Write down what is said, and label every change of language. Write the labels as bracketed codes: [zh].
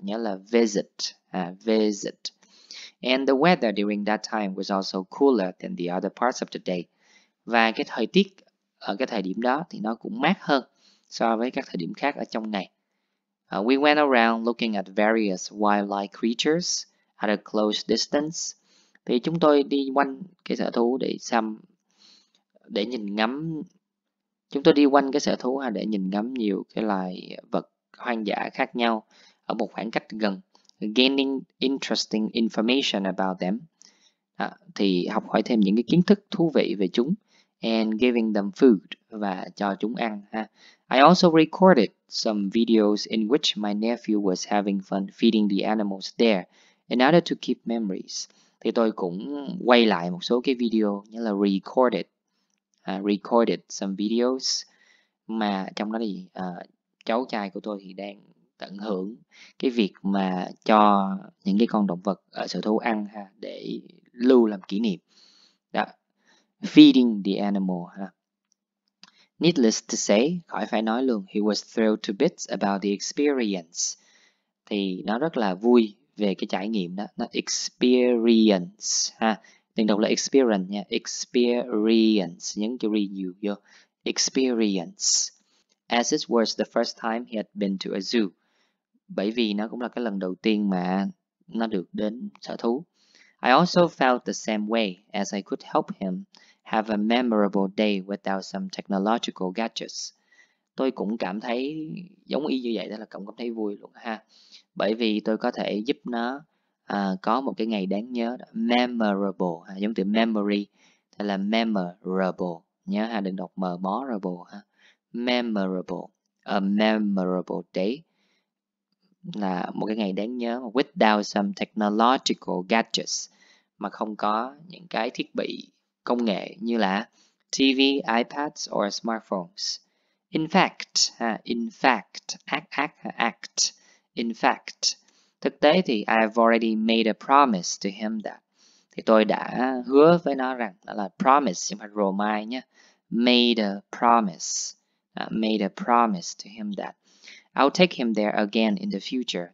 [vi] Nhớ là visit, visit. [en] And the weather during that time was also cooler than the other parts of the day. [vi] Và cái thời tiết ở cái thời điểm đó thì nó cũng mát hơn so với các thời điểm khác ở trong ngày. [en] We went around looking at various wildlife creatures at a close distance. [vi] Thì chúng tôi đi quanh cái sở thú để xem, để nhìn ngắm. Chúng tôi đi quanh cái sở thú ha, để nhìn ngắm nhiều cái loài vật hoang dã khác nhau ở một khoảng cách gần. [en] Gaining interesting information about them. [vi] À, thì học hỏi thêm những cái kiến thức thú vị về chúng. [en] And giving them food [vi] và cho chúng ăn ha. [en] I also recorded some videos in which my nephew was having fun feeding the animals there in order to keep memories. [vi] Thì tôi cũng quay lại một số cái video như là [en] recorded, recorded some videos [vi] mà trong đó thì cháu trai của tôi thì đang tận hưởng cái việc mà cho những cái con động vật ở sở thú ăn ha, để lưu làm kỷ niệm. Đó. [en] Feeding the animal [vi] ha. [en] Needless to say, [vi] khỏi phải nói luôn, [en] he was thrilled to bits about the experience. [vi] Thì nó rất là vui về cái trải nghiệm đó. Nó experience ha. Đừng đọc là experience nha. Experience. Nhấn chữ re nhiều vô. Experience. [en] As it was the first time he had been to a zoo. [vi] Bởi vì nó cũng là cái lần đầu tiên mà nó được đến sở thú. [en] I also felt the same way as I could help him have a memorable day without some technological gadgets. [vi] Tôi cũng cảm thấy giống y như vậy, đó là cũng cảm thấy vui luôn ha. Bởi vì tôi có thể giúp nó có một cái ngày đáng nhớ đó. Memorable, giống từ memory, thì là memorable, nhớ ha, đừng đọc m mó rồi bồ ha. memorable, [en] a memorable day, [vi] là một cái ngày đáng nhớ, [en] without some technological gadgets, [vi] mà không có những cái thiết bị công nghệ như là TV, iPads or smartphones. [en] In fact, [vi] thực tế thì [en] I've already made a promise to him that. [vi] Thì tôi đã hứa với nó rằng, đó là promise, chứ không phải romai nhé. [en] Made a promise to him that. I'll take him there again in the future.